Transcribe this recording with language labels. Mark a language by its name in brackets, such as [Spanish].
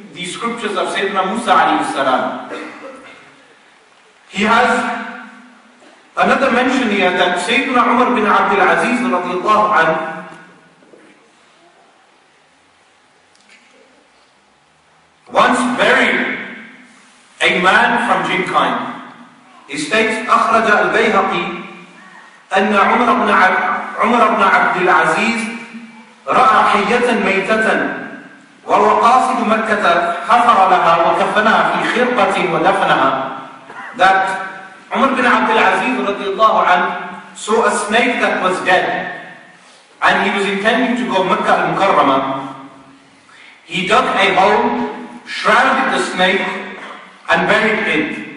[English] the scriptures of Sayyidina Musa alayhi salam. He has another mention here that Sayyidina Umar bin Abdul Aziz radiallahu anhu, once buried a man from jinn kind. He states, [Arabic] أخرج البيهقي أن عمر بن عبد العزيز رأى حية ميتة وهو قاصد مكة حفر لها وكفنها في خرقة ودفنها. [English] That Umar bin Abdul Aziz radiallahu anhu saw a snake that was dead and he was intending to go Mecca al-Mukarramah. He dug a hole, shrouded the snake and buried it.